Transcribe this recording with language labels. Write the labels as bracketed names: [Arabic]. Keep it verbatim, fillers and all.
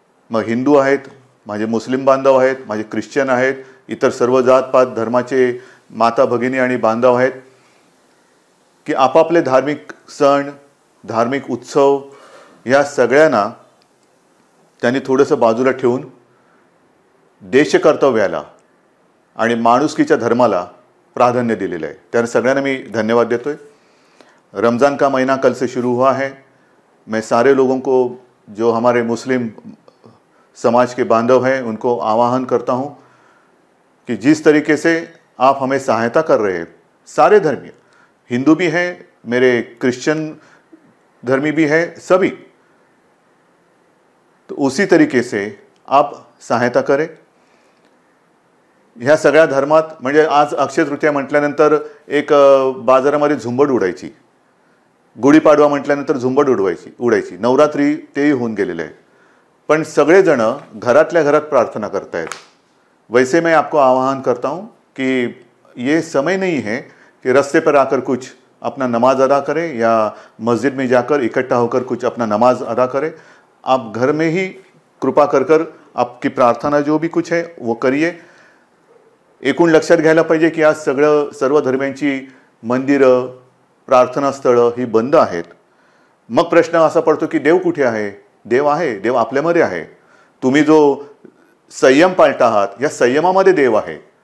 [Marathi] मग हिंदू आहेत, माझे मुस्लिम बांधव आहेत, माझे ख्रिश्चन आहेत, इतर सर्व जातपात धर्माचे माता भगिनी आणि बांधव आहेत की आपापले धार्मिक सण, धार्मिक उत्सव या सगळ्यांना त्यांनी थोडंसं बाजूला ठेवून देशकर्तव्याला आणि माणुसकीच्या धर्माला प्राधान्य दिलेलं आहे. त्या सगळ्यांना मी धन्यवाद देतोय. [Hindi] रमज़ान का महीना कल से शुरू हुआ है. मैं सारे लोगों को जो हमारे मुस्लिम समाज के बांधव हैं उनको आह्वान करता हूं कि जिस तरीके से आप हमें सहायता कर रहे हैं, सारे धर्मीय, हिंदू भी हैं, मेरे क्रिश्चियन धर्मी भी हैं, सभी, तो उसी तरीके से आप सहायता करें. [Marathi] ह्या सगळ्या धर्मात म्हणजे आज अक्षय तृतीया म्हटल्यानंतर एक बाजारामध्ये झुंबड उडायची, गुढीपाडवा म्हटल्यानंतर झुंबड उडवायची उडायची नवरात्री तेही होऊन गेलेलं आहे, पण सगळेजण घरातल्या घरात प्रार्थना करतायत. [Hindi] वैसे मैं आपको आह्वान करता हूँ कि ये समय नहीं है कि रस्ते पर आकर कुछ अपना नमाज अदा करें या मस्जिद में जाकर इकट्ठा होकर कुछ अपना नमाज अदा करें. आप घर में ही कृपा कर कर आपकी प्रार्थना जो भी कुछ है वो करिए. [Marathi] एकूण लक्षात घ्यायला पाहिजे की आज सगळं सर्व धर्मांची मंदिरं, प्रार्थनास्थळं ही बंद आहेत. मग प्रश्न असा पडतो की देव कुठे आहे? देव आहे, देव आपल्यामध्ये आहे. तुम्ही जो संयम पाळता आहात या संयमामध्ये देव आहे.